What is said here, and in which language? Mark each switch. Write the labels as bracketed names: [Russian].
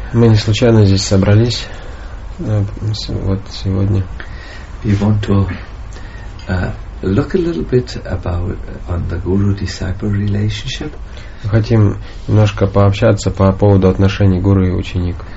[Russian] Мы не случайно здесь собрались вот сегодня. [English] We want to look a little bit about on the guru-disciple relationship. [Russian] Мы хотим немножко пообщаться по поводу отношений гуру и ученик.